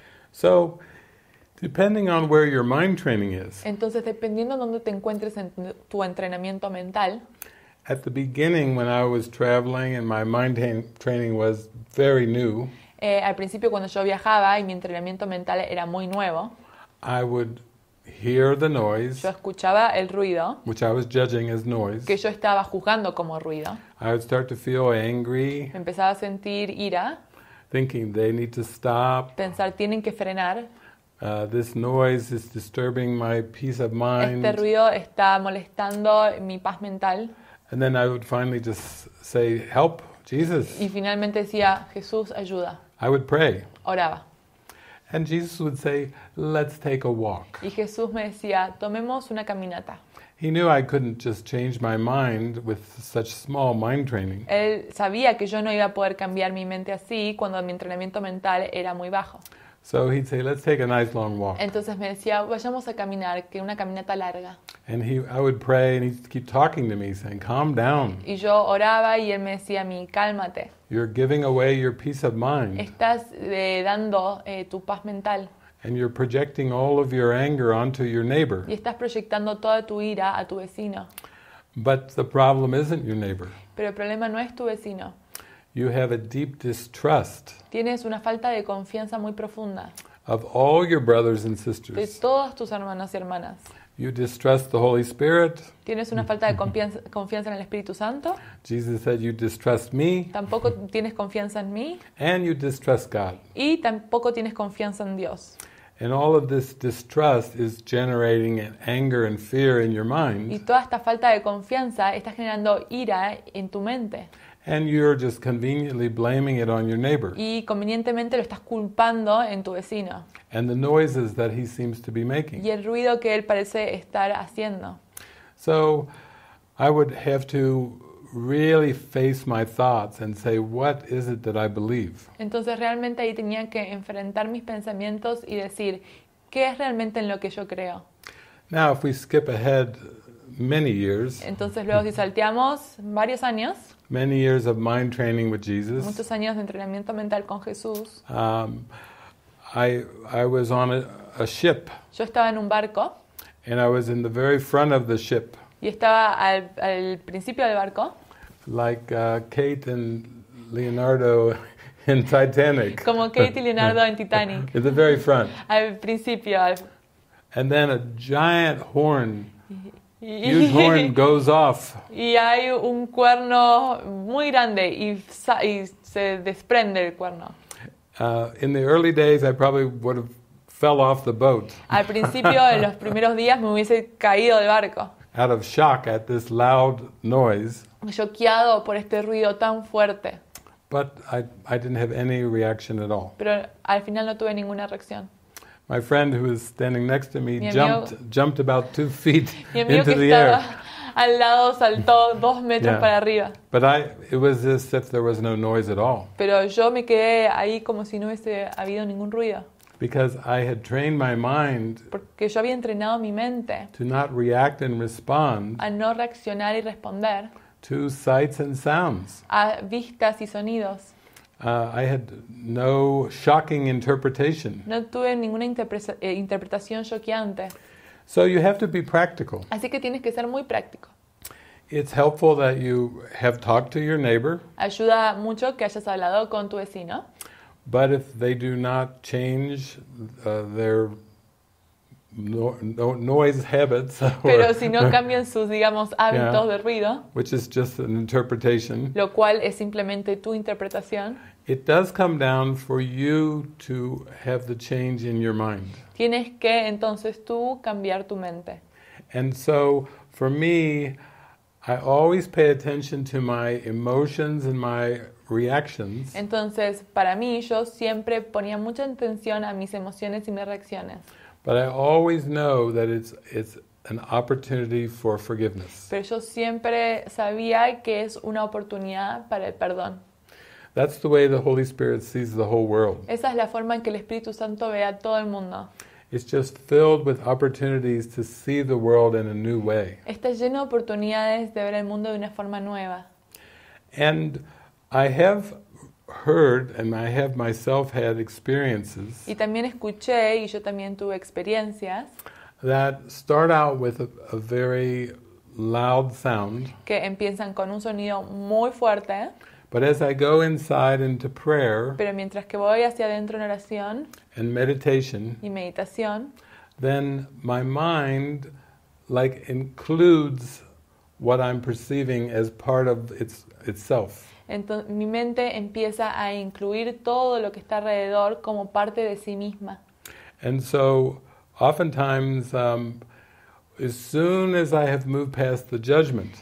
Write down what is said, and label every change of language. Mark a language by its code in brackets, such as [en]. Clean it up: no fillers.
[en] So, depending on where your mind training is. [es] Entonces dependiendo dónde te encuentres en tu entrenamiento mental. [en] At the beginning when I was traveling and my mind training was very new. [es] Al principio cuando yo viajaba y mi entrenamiento mental era muy nuevo. [en] I would hear the noise. [es] Yo escuchaba el ruido. [en] Which I was judging as noise. [es] Que yo estaba juzgando como ruido. [en] I would start to feel angry. [es] Empezaba a sentir ira. [en] Thinking they need to stop. [es] Pensar tienen que frenar. [en] This noise is disturbing my peace of mind. [es] Este ruido está molestando mi paz mental. [en] And then I would finally just say, "Help, Jesus." [es] Y finalmente decía, "Jesús, ayuda." [en] I would pray. [es] Oraba. [en] And Jesus would say, "Let's take a walk." [es] Y Jesús me decía, "Tomemos una caminata." [en] He knew I couldn't just change my mind with such small mind training. [es] Él sabía que yo no iba a poder cambiar mi mente así cuando mi entrenamiento mental era muy bajo. [en] So he'd say, "Let's take a nice long walk." [es] Entonces me decía, "Vayamos a caminar, que una caminata larga." [en] And I would pray, and he'd keep talking to me, saying, "Calm down." [es] Y yo oraba y él me decía a mí, "Cálmate." [en] You're giving away your peace of mind. [es] Estás dando tu paz mental. [en] And you're projecting all of your anger onto your neighbor. [es] Y estás proyectando toda tu ira a tu vecino. [en] But the problem isn't your neighbor. [es] Pero el problema no es tu vecino. [en] You have a deep distrust. [es] Tienes una falta de confianza muy profunda. [en] Of all your brothers and sisters. [es] De todos tus hermanos y hermanas. [en] You distrust the Holy Spirit. [es] Tienes una falta de confianza en el Espíritu Santo. [en] Jesus said you distrust me. [es] Tampoco tienes confianza en mí. [en] And you distrust God. [es] Y tampoco tienes confianza en Dios. [en] And all of this distrust is generating an anger and fear in your mind. [es] Y toda esta falta de confianza está generando ira en tu mente. [en] And you're just conveniently blaming it on your neighbor. [es] Y convenientemente lo estás culpando en tu vecino. [en] And the noises that he seems to be making. [es] Y el ruido que él parece estar haciendo. [en] So I would have to really face my thoughts and say, what is it that I believe? [es] Entonces realmente ahí tenía que enfrentar mis pensamientos y decir, ¿qué es realmente en lo que yo creo? [en] Now if we skip ahead many years. [es] Entonces luego si salteamos varios años. [en] Many years of mind training with Jesus. [es] Muchos años de entrenamiento mental con Jesús. [en] I was on a ship. [es] Yo estaba en un barco. [en] And I was in the very front of the ship. [es] Y estaba al principio del barco. [en] Like Kate and Leonardo in Titanic. [es] Como Kate y Leonardo en Titanic. [en] In the very front. [es] Al principio. [en] And then a giant horn. Huge horn goes off. [es] Y hay un cuerno muy grande y se desprende el cuerno. [en] In the early days, I probably would have fell off the boat. [es] Al principio, en los primeros días, me hubiese caído del barco. [en] Out of shock at this loud noise. [es] Shockeado por este ruido tan fuerte. [en] But I didn't have any reaction at all. [es] Pero al final no tuve ninguna reacción. [en] My friend who was standing next to me jumped about 2 feet into [es] que [en] the air. [es] Al lado saltó 2 metros yeah. Para arriba. [en] But it was as if there was no noise at all. [es] Pero yo me quedé ahí como si no hubiese habido ningún ruido. [en] Because I had trained my mind. [es] Porque yo había entrenado mi mente. [en] To not react and respond. [es] A no reaccionar y responder. [en] To sights and sounds. [es] A vistas y sonidos. [en] I had no shocking interpretation. [es] No tuve ninguna interpretación shockeante. [en] So you have to be practical. [es] Así que tienes que ser muy práctico. [en] It's helpful that you have talked to your neighbor. [es] Ayuda mucho que hayas hablado con tu vecino. [en] But if they do not change their noise habits, [es] pero si no cambian sus digamos hábitos yeah, de ruido, [en] which is just an interpretation, [es] lo cual es simplemente tu interpretación, [en] it does come down for you to have the change in your mind. [es] Tienes que entonces tú cambiar tu mente. [en] And so for me, I always pay attention to my emotions and my reactions. [es] Entonces para mí yo siempre ponía mucha atención a mis emociones y mis reacciones. [en] But I always know that it's an opportunity for forgiveness. [es] Pero yo siempre sabía que es una oportunidad para el perdón. [en] That's the way the Holy Spirit sees the whole world. [es] Esa es la forma en que el Espíritu Santo ve a todo el mundo. [en] It's just filled with opportunities to see the world in a new way. [es] Está lleno de oportunidades de ver el mundo de una forma nueva. [en] And I have heard and I have myself had experiences. [es] Y también escuché y yo también tuve experiencias. [en] That start out with a very loud sound. [es] Que empiezan con un sonido muy fuerte. [en] But as I go inside into prayer. [es] Pero mientras que voy hacia adentro en oración. [en] And meditation. [es] Y meditación. [en] Then my mind like includes what I'm perceiving as part of itself. [es] Entonces, mi mente empieza a incluir todo lo que está alrededor como parte de sí misma. [en] And so, oftentimes, as soon as I have moved past the judgment,